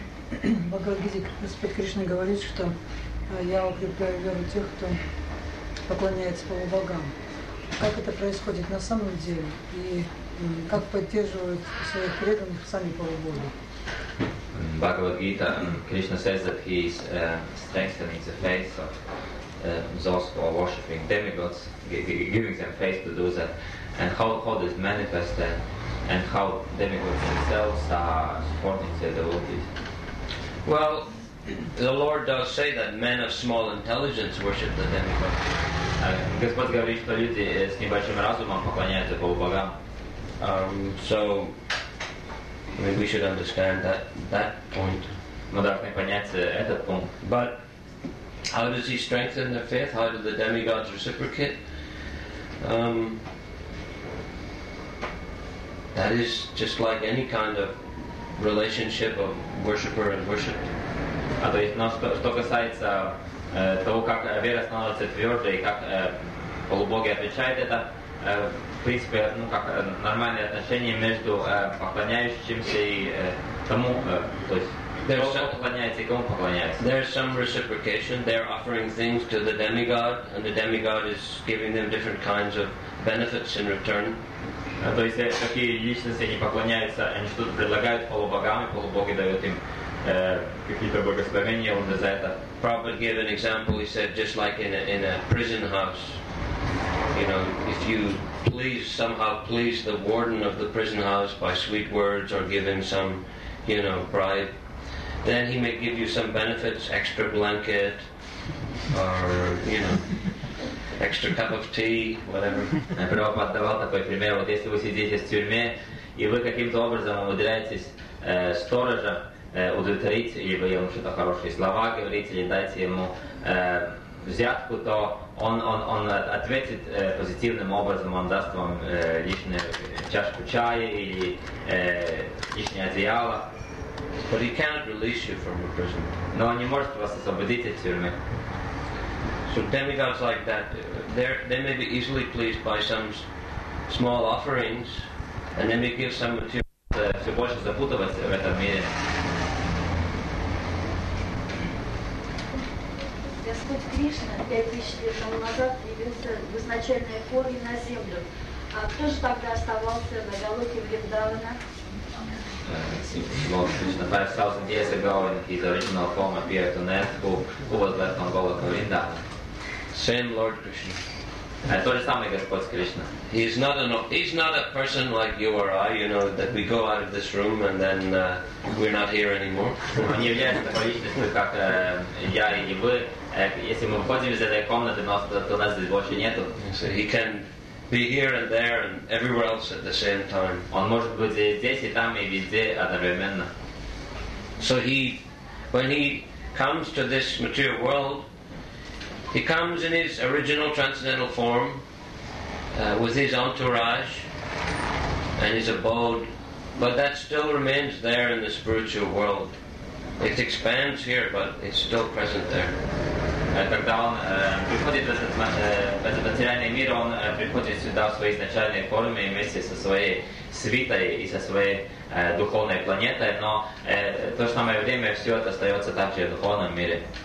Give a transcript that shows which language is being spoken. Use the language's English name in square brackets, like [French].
[Russian] Бхагавад-гита, Господь Кришна говорит, что я укрепляю веру тех, кто поклоняется полубогам. Как это происходит на самом деле? И как поддерживают своих преданных сами полубоги? [English] Бхагавад-гита, Кришна says that he is strengthening the faith of those who are worshipping demigods, giving them faith to do that. And how does it manifest that? And how demigods themselves are supporting their devotees? Well, the Lord does say that men of small intelligence worship the demigods. [Russian] Господь говорит, что люди с небольшим разумом поклоняются полубогам. [English] So, we should understand that point. [Russian] Мы должны понять этот пункт. [English] But how does he strengthen the faith? How do the demigods reciprocate? That is just like any kind of relationship of worshipper and worship. [Russian] А то есть, что касается того, как вера становится твердой, как полубоги отвечают, это, в принципе, ну как нормальные отношения между поклоняющимся и тому, то есть, кто [English] some, [Russian] поклоняется и кому поклоняется. [English] There is some reciprocation. They are offering things to the demigod, and the demigod is giving them different kinds of benefits in return. [Russian] То есть такие личности не поклоняются, они что-то предлагают полубогам, и полубоги дают им какие-то благословения, он за это. [English] Prabhupada gave an example, he said, just like in a prison house, you know, if you somehow please the warden of the prison house by sweet words or give him some, you know, bribe, then he may give you some benefits, extra blanket, or, you know, extra cup of tea, whatever. [Russian] Prabhupada давал такой пример, вот если вы сидите в тюрьме, и вы каким-то образом умудряетесь сторожа удовлетворить, или вы ему что-то хорошие слова говорите, или дайте ему взятку, то он ответит позитивным образом, он даст вам лишнюю чашку чая или лишнее одеяло. [English] But he cannot release you from the prison. [Russian] Но он не может вас освободить из тюрьмы. [English] So demigods like that, they may be easily pleased by some small offerings, and they may give some material. [Russian] Все больше запутываться в этом мире. Господь Кришна 5000 лет тому назад явился в изначальной форме на землю. А кто же тогда оставался на Галоке Вриндавана? [English] Well, Krishna 5000 years ago in his original form appeared on earth. Who was left on Galoka Vrindavana? Same Lord Krishna. [Russian] То же самое Господь Кришна. [English] He's not a person like you or I, you know, that we go out of this room and then we're not here anymore. [Russian] Он не является такой личностью, как я или вы. Если мы выходим из этой комнаты, то нас здесь больше нету. [English] So he can be here and there and everywhere else at the same time. [Russian] Он может быть здесь и там, и везде одновременно. [English] So he, when he comes to this material world, he comes in his original transcendental form with his entourage and his abode, but that still remains there in the spiritual world. It expands here, but it's still present there. [Russian] Когда он приходит в этот материальный мир, он приходит сюда в своей изначальной форме вместе со своей свитой и со своей духовной планетой, но то же самое время все это остается также в духовном мире.